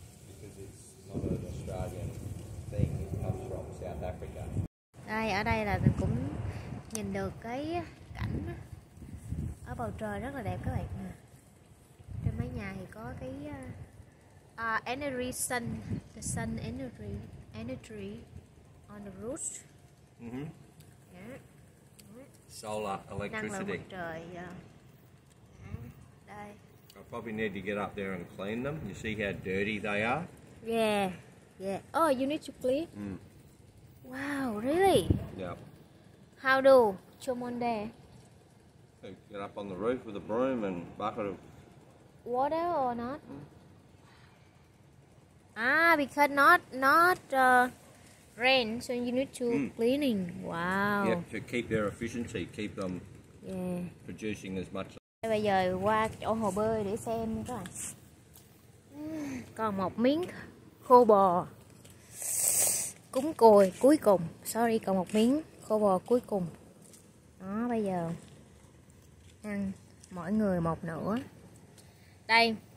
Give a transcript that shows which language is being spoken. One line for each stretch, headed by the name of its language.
English: Because it's not an Australian thing. It comes from South Africa.
Vietnamese: Đây, ở đây là mình cũng nhìn được cái cảnh ở bầu trời rất là đẹp các bạn. Trên mấy nhà thì có cái
English: energy sun, the sun energy on the roof. Mm-hmm. Yeah. Solar electricity.
Vietnamese: Năng lượng mặt trời. Yeah. Đây.
English: I probably need to get up there and clean them. You see how dirty they are? Yeah. Yeah. Oh, you need to clean? Mm. Wow, really? Yeah. How do? Someone there? You get up on the roof with a broom and bucket of water or not? Because not rain, so you need to cleaning. Wow. Yeah, to keep their efficiency, keep them producing as much.
Vietnamese: Bây giờ qua chỗ hồ bơi để xem các bạn. Còn một miếng khô bò cúng cồi cuối cùng. Sorry, còn một miếng khô bò cuối cùng. Đó, bây giờ mỗi người một nửa. Đây.